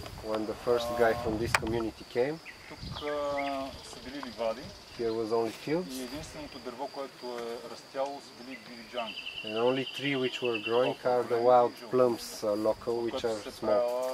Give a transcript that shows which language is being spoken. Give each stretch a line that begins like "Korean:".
English: When the first guy from this community came.
Bulgarian: Тук са били ливади.
English: Here was only fields.
Bulgarian: И единственото дърво, което е растяло, са били дилиджанки.
English: And only three which were growing are the wild plums local, which are small.